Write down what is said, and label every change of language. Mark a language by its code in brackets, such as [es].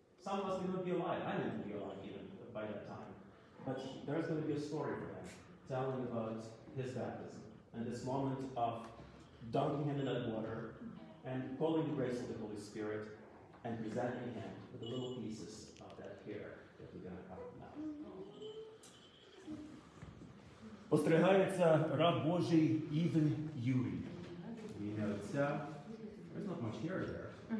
[en] Some of us may not be alive. I didn't be alive even by that time. But there's going to be a story for them, telling about his baptism. And this moment of dunking him in that water and calling the grace of the Holy Spirit and presenting him with the little pieces of that hair that we're going to cut now. [uk] Остригається раб Божий Іван Юрій. [en] We know it's, there's not much hair there.